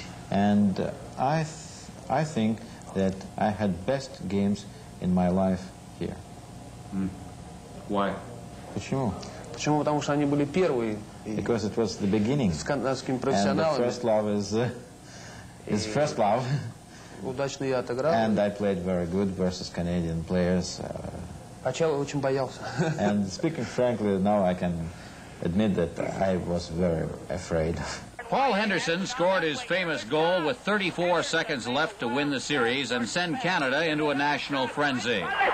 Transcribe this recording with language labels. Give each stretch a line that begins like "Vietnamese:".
English: And I think that I had best games in my life here. Why?
Russian: Почему? Почему? Потому что они были первые.
English: Because it was the beginning.
Russian: С канадскими профессионалами.
English: And the first love is first love.
Russian: Удачно я отыграл.
English: And I played very good versus Canadian players.
Russian: Сначала очень боялся.
English: And speaking frankly, now I can admit that I was very afraid. Paul Henderson scored his famous goal with 34 seconds left to win the series and send Canada into a national frenzy.